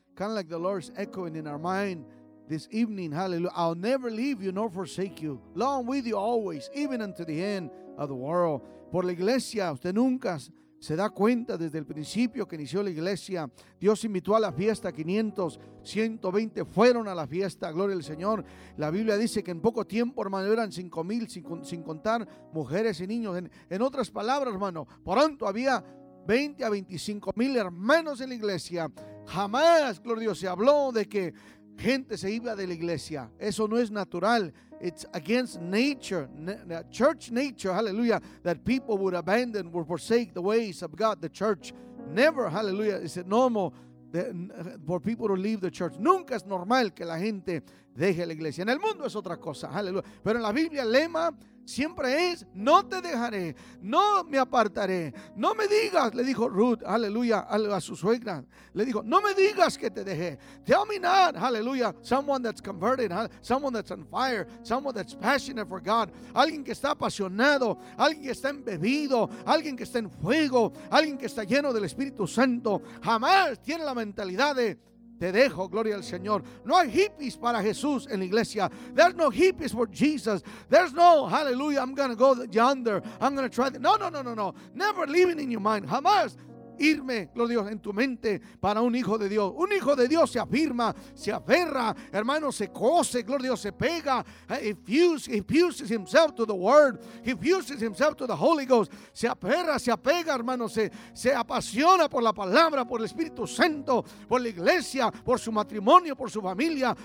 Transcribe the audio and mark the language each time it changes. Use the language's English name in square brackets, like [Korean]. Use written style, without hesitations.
[English] kind of like the Lord's echoing in our mind this evening. Hallelujah. I'll never leave you nor forsake you. Long with you always, even unto the end of the world. [Spanish] Por la iglesia, usted nunca se da cuenta desde el principio que inició la iglesia. Dios invitó a la fiesta, 500, 120 fueron a la fiesta, gloria al Señor. La Biblia dice que en poco tiempo, hermano, eran 5,000 sin contar mujeres y niños. En otras palabras, hermano, pronto había 20 a 25 mil hermanos en la iglesia. Jamás, gloria a Dios, se habló de que gente se iba de la iglesia. Eso no es natural. [English] It's against nature, church nature, hallelujah, that people would abandon, would forsake the ways of God, the church. Never, hallelujah, is it normal that, for people to leave the church. [Spanish] Nunca es normal que la gente deje la iglesia. En el mundo es otra cosa, hallelujah. Pero en la Biblia el lema siempre es, no te dejaré, no me apartaré, no me digas, le dijo Ruth, aleluya, a su suegra, le dijo, no me digas que te dejé, [English] tell me not, [Spanish] aleluya, [English] someone that's converted, someone that's on fire, someone that's passionate for God, [Spanish] alguien que está apasionado, alguien que está embebido, alguien que está en fuego, alguien que está lleno del Espíritu Santo, jamás tiene la mentalidad de, te dejo, gloria al Señor. No hay hippies para Jesús en la iglesia. [English] There's no hippies for Jesus. There's no, hallelujah, I'm going to go yonder. I'm going to try. No. Never leaving in your mind. [Spanish] Jamás irme, gloria a Dios, en tu mente para un hijo de Dios. Un hijo de Dios se afirma, se aferra, hermano, se cose, gloria a Dios, se pega. [English] He fuses himself to the Word. He fuses himself to the Holy Ghost. [Spanish] Se aferra, se apega, hermano, se apasiona por la palabra, por el Espíritu Santo, por la iglesia, por su matrimonio, por su familia.